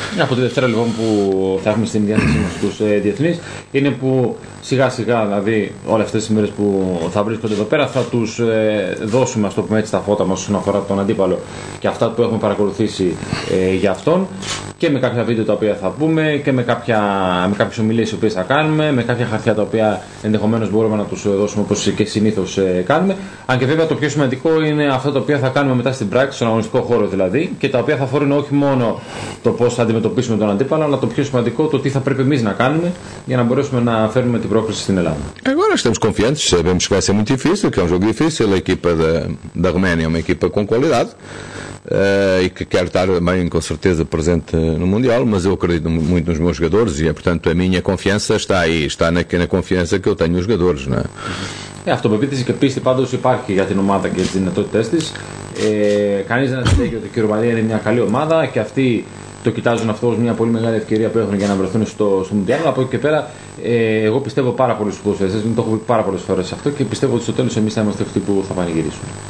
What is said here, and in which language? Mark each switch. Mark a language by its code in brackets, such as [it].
[el] Από τη Δευτέρα λοιπόν που θα έχουμε στην διάθεση μας τους διεθνείς, είναι που σιγά σιγά, δηλαδή όλες αυτές τις μέρες που θα βρίσκονται εδώ πέρα, θα τους δώσουμε, ας το πούμε έτσι, τα φώτα μας όσον αφορά τον αντίπαλο και αυτά που έχουμε παρακολουθήσει για αυτόν, και με κάποια βίντεο τα οποία θα πούμε και με κάποιες ομιλίες οι οποίες θα κάνουμε, με κάποια χαρτιά τα οποία ενδεχομένως μπορούμε να τους δώσουμε όπως και συνήθως κάνουμε. Αν και βέβαια το πιο σημαντικό είναι αυτά τα οποία θα κάνουμε μετά στην πράξη, στον αγωνιστικό χώρο δηλαδή, και τα οποία θα αφορούν όχι μόνο το πώς θα αντιμετωπίσουμε τον αντίπαλο, αλλά το πιο σημαντικό, το τι θα πρέπει εμείς να κάνουμε για να μπορέσουμε να φέρουμε την πρόκληση στην Ελλάδα. [pt] Agora estamos confiantes, sabemos que vai ser muito difícil, que é jogo difícil, a equipa da Roménia é uma equipa com qualidade. E que quero estar bem, com certeza, presente no Mundial, mas eu acredito muito nos meus jogadores e, portanto, a minha confiança está aí, está na confiança que eu tenho nos jogadores, não é? [el] Αυτοπεποίθηση και πίστη πάντως υπάρχει για την ομάδα και τις δυνατότητές της. Κανείς δεν αντιλέγει ότι η Ρουμανία είναι μια καλή ομάδα και αυτοί το κοιτάζουν αυτό ως μια πολύ μεγάλη ευκαιρία που έχουν για να βρεθούν στο Μουντιάλ. Από εκεί και πέρα, εγώ πιστεύω πάρα πολύ στους ποδοσφαιριστές, το έχω πει πάρα πολλές φορές αυτό και πιστεύω ότι στο τέλος εμείς θα είμαστε αυτοί που θα πανηγυρίσουν.